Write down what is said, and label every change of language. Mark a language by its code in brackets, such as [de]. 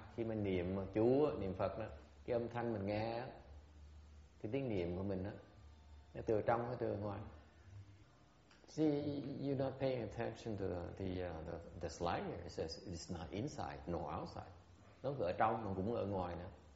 [vi] Khi mình niệm chú, niệm Phật đó, cái âm thanh mình nghe, cái tiếng niệm của mình đó, nó từ trong hay từ ngoài? [en] See, you're not paying attention to the slider. It says it's not inside nor outside. [vi] Nó ở trong mà cũng ở ngoài nữa.